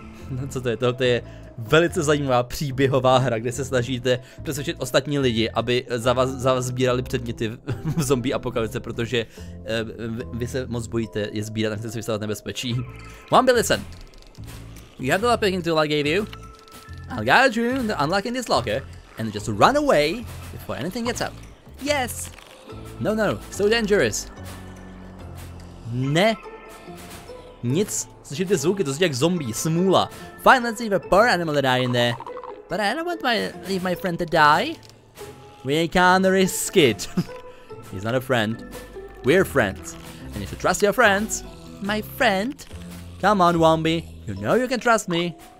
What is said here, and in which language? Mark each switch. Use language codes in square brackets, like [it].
[cs] No co to je, tohle je velice zajímavá příběhová hra, kde se snažíte přesvědčit ostatní lidi, aby za vás sbírali předměty v zombie apokalypse, protože vy se moc bojíte je sbírat, a chcete se vystavovat nebezpečí. [en] Wombat, listen. You have the lockpicking tool I gave you. I'll guide you into unlocking this locker, and just run away before anything gets out. Yes! No, so dangerous. [cs] Ne. Nic. Slyšíte ty zvuky, to jsou jak zombie, smůla. [en] Fine, let's leave a poor animal to die in there. But I don't want to leave my friend to die. We can't risk it. He's not a friend. We're friends. And if you trust your friends. My friend? Come on, Wombie. You know you can trust me.